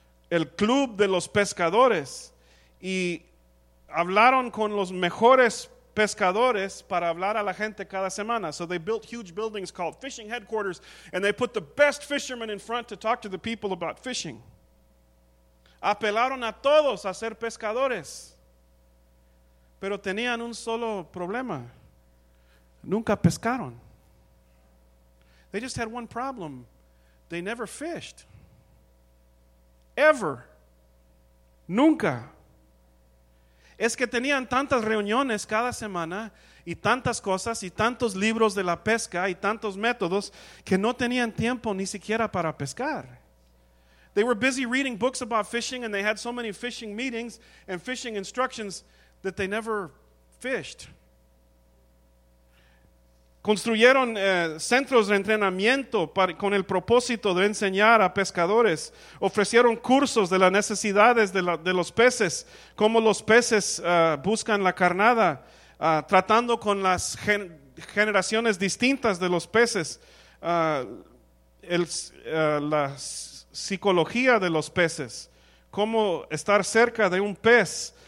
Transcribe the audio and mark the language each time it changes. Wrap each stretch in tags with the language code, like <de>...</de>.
<es>el club de los pescadores y hablaron con los mejores pescadores para hablar a la gente cada semana.</es> <en>So they built huge buildings called fishing headquarters, and they put the best fishermen in front to talk to the people about fishing.</en> <es>Apelaron a todos a ser pescadores, pero tenían un solo problema. Nunca pescaron.</es> <en>They just had one problem. They never fished. Ever.</en> <es>Nunca. Es que tenían tantas reuniones cada semana y tantas cosas y tantos libros de la pesca y tantos métodos que no tenían tiempo ni siquiera para pescar.</es> <en>They were busy reading books about fishing, and they had so many fishing meetings and fishing instructions that they never fished.</en> <es>Construyeron centros de entrenamiento con el propósito de enseñar a pescadores. Ofrecieron cursos de las necesidades de los peces, cómo los peces buscan la carnada, tratando con las generaciones distintas de los peces, la psicología de los peces, cómo estar cerca de un pez.</es>